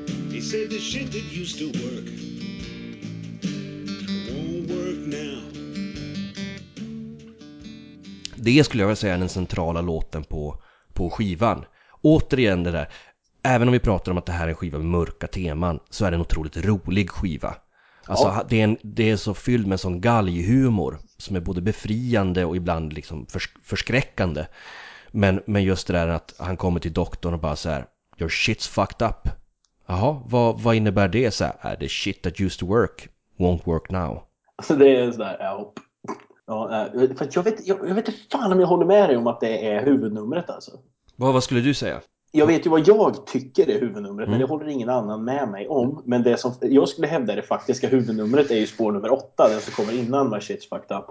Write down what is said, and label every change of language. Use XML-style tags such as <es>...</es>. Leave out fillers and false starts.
<en>He said the shit that used to work won't work now.</en> <sv>Det skulle jag vilja säga är den centrala låten på skivan. Återigen det där, även om vi pratar om att det här är en skiva med mörka teman, så är det en otroligt rolig skiva. Alltså, det är så fylld med sån galghumor som är både befriande och ibland liksom förskräckande. Men just det där att han kommer till doktorn och bara så här:</sv> <en>your shit's fucked up.</en> <sv>Jaha, vad innebär det? Så här,</sv> <en>the shit that used to work won't work now.</en> <sv>Alltså det är så där, help. Ja, för att jag vet inte fan om jag håller med dig om att det är huvudnumret alltså. Vad skulle du säga? Jag vet ju vad jag tycker är huvudnumret, men det håller ingen annan med mig om. Men det som jag skulle hävda är det faktiska huvudnumret är ju spår nummer 8, den som kommer innan My Shit's Fucked Up.</sv>